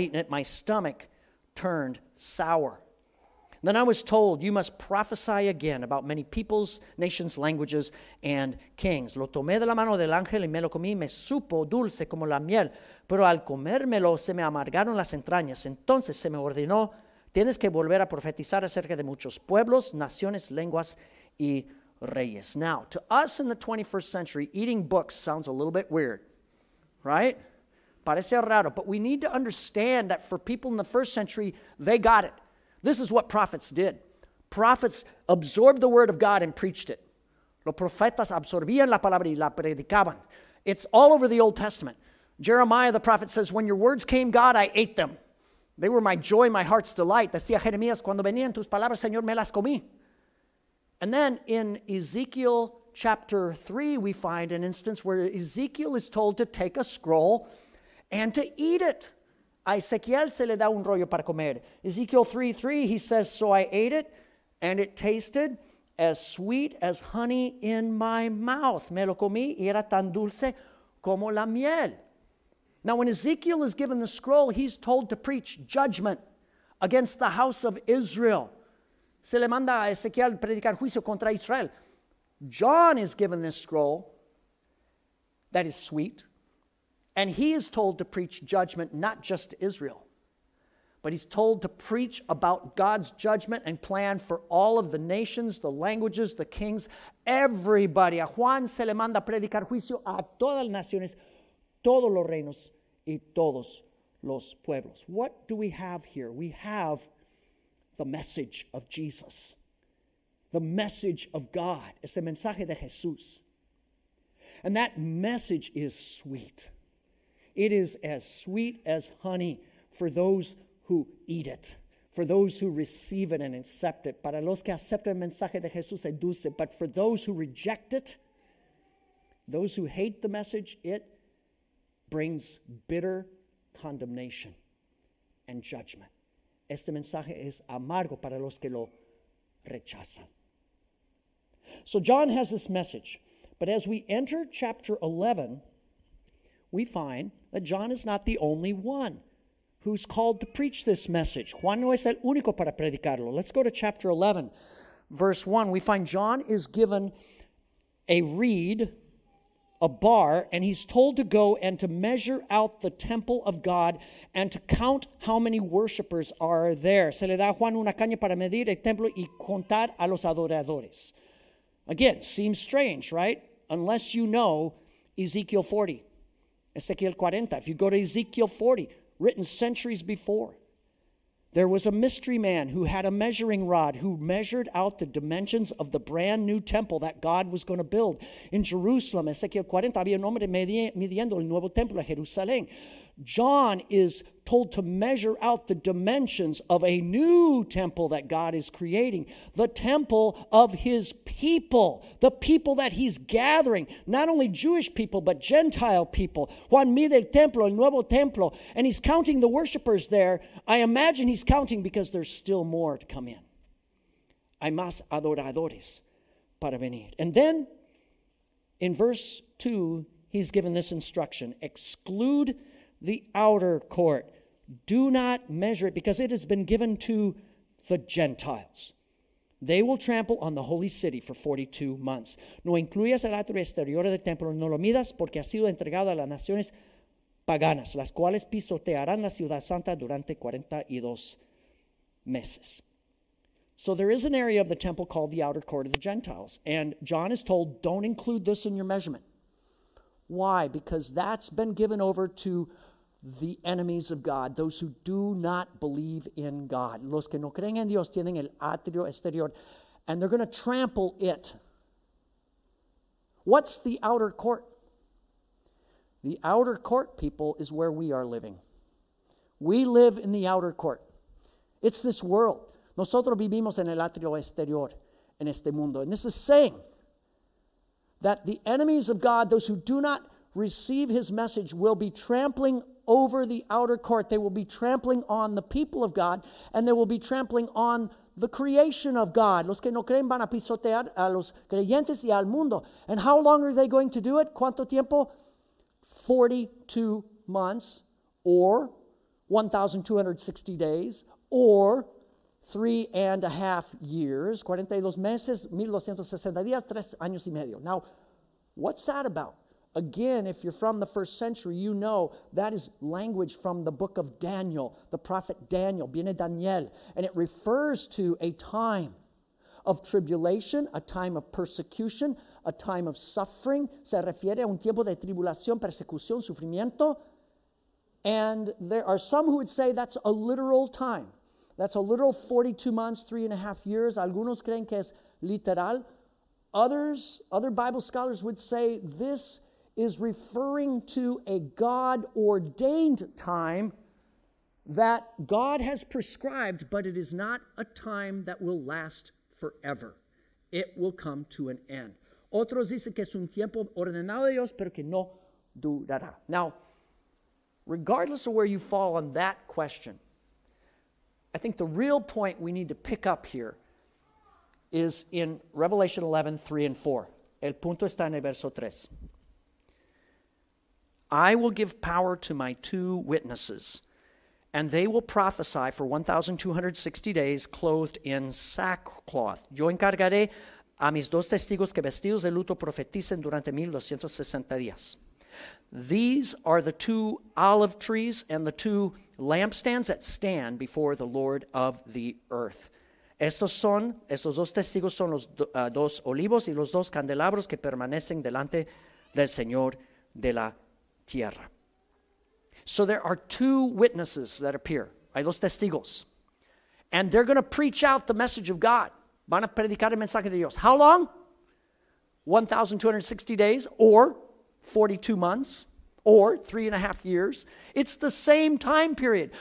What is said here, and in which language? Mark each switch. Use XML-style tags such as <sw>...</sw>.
<en>My stomach turned sour. Then I was told, you must prophesy again about many peoples, nations, languages, and kings.</en> <es>Lo tomé de la mano del ángel y me lo comí. Me supo dulce como la miel, pero al comérmelo se me amargaron las entrañas. Entonces se me ordenó, tienes que volver a profetizar acerca de muchos pueblos, naciones, lenguas, y reyes.</es> <en>Now, to us in the 21st century, eating books sounds a little bit weird, right?</en> <es>Parece raro,</es> <en>but we need to understand that for people in the first century, they got it. This is what prophets did. Prophets absorbed the word of God and preached it.</en> <es>Los profetas absorbían la palabra y la predicaban.</es> <en>It's all over the Old Testament. Jeremiah the prophet says, when your words came, God, I ate them. They were my joy, my heart's delight.</en> <es>Decía Jeremías, cuando venían tus palabras, Señor, me las comí.</es> <en>And then in Ezekiel chapter 3, we find an instance where Ezekiel is told to take a scroll and to eat it.</en> <es>A Ezequiel se le da un rollo para comer.</es> <en>Ezekiel 3:3, he says, so I ate it, and it tasted as sweet as honey in my mouth.</en> <es>Me lo comí y era tan dulce como la miel.</es> <en>Now, when Ezekiel is given the scroll, he's told to preach judgment against the house of Israel.</en> <es>Se le manda a Ezequiel predicar juicio contra Israel.</es> <en>John is given this scroll that is sweet, and he is told to preach judgment not just to Israel, but he's told to preach about God's judgment and plan for all of the nations, the languages, the kings, everybody.</en> <es>A Juan se le manda predicar juicio a todas las naciones, todos los reinos y todos los pueblos.</es> <en>What do we have here? We have the message of Jesus, the message of God.</en> <es>Es el mensaje de Jesús.</es> <en>And that message is sweet. It is as sweet as honey for those who eat it, for those who receive it and accept it.</en> <es>Para los que aceptan el mensaje de Jesús, es dulce.</es> <en>But for those who reject it, those who hate the message, it brings bitter condemnation and judgment.</en> <es>Este mensaje es amargo para los que lo rechazan.</es> <en>So John has this message, but as we enter chapter 11, we find that John is not the only one who's called to preach this message.</en> <es>Juan no es el único para predicarlo.</es> <en>Let's go to chapter 11, verse 1. We find John is given a reed, a bar, and he's told to go and to measure out the temple of God and to count how many worshipers are there.</en> <es>Se le da a Juan una caña para medir el templo y contar a los adoradores.</es> <en>Again, seems strange, right? Unless you know Ezekiel 40.</en> <es>Ezequiel 40.</es> <en>If you go to Ezekiel 40, written centuries before, there was a mystery man who had a measuring rod who measured out the dimensions of the brand new temple that God was going to build in Jerusalem.</en> <es>Ezekiel 40, había un hombre midiendo el nuevo templo en Jerusalén.</es> <en>John is told to measure out the dimensions of a new temple that God is creating, the temple of his people, the people that he's gathering, not only Jewish people, but Gentile people.</en> <es>Juan mide el templo, el nuevo templo,</es> <en>and he's counting the worshipers there. I imagine he's counting because there's still more to come in.</en> <es>Hay más adoradores para venir.</es> <en>And then in verse 2, he's given this instruction, exclude the outer court. Do not measure it because it has been given to the Gentiles. They will trample on the holy city for 42 months.</en> <es>No incluyas el atrio exterior del templo, no lo midas porque ha sido entregado a las naciones paganas, las cuales pisotearán la ciudad santa durante 42 meses.</es> <en>So there is an area of the temple called the outer court of the Gentiles. And John is told, don't include this in your measurement. Why? Because that's been given over to the enemies of God, those who do not believe in God.</en> <es>Los que no creen en Dios tienen el atrio exterior,</es> <en>and they're going to trample it. What's the outer court? The outer court, people, is where we are living. We live in the outer court. It's this world.</en> <es>Nosotros vivimos en el atrio exterior, en este mundo.</es> <en>And this is saying that the enemies of God, those who do not receive his message, will be trampling over the outer court. They will be trampling on the people of God, and they will be trampling on the creation of God.</en> <es>Los que no creen van a pisotear a los creyentes y al mundo.</es> <en>And how long are they going to do it?</en> <es>¿Cuánto tiempo?</es> <en>42 months, or 1,260 days, or 3.5 years.</en> <es>42 meses, 1,260 días, 3 años y medio.</es> <en>Now, what's that about? Again, if you're from the first century, you know that is language from the book of Daniel, the prophet Daniel,</en> <es>viene Daniel,</es> <en>and it refers to a time of tribulation, a time of persecution, a time of suffering.</en> <es>Se refiere a un tiempo de tribulación, persecución, sufrimiento.</es> <en>And there are some who would say that's a literal time. That's a literal 42 months, 3.5 years.</en> <es>Algunos creen que es literal.</es> <en>Other Bible scholars would say this is referring to a God-ordained time that God has prescribed, but it is not a time that will last forever. It will come to an end.</en> <es>Otros dicen que es un tiempo ordenado de Dios, pero que no durará.</es> <en>Now, regardless of where you fall on that question, I think the real point we need to pick up here is in Revelation 11, 3 and 4.</en> <es>El punto está en el verso 3.</es> <en>I will give power to my two witnesses, and they will prophesy for 1,260 days clothed in sackcloth.</en> <es>Yo encargaré a mis dos testigos que vestidos de luto profeticen durante 1,260 días.</es> <en>These are the two olive trees and the two lampstands that stand before the Lord of the earth.</en> <es>Estos dos testigos son los dos olivos y los dos candelabros que permanecen delante del Señor de la tierra.</es> <en>So there are two witnesses that appear.</en> <es>Hay dos testigos.</es> <en>And they're going to preach out the message of God.</en> <es>Van a predicar el mensaje de Dios.</es> <en>How long? 1,260 days, or 42 months, or 3.5 years. It's the same time period.</en>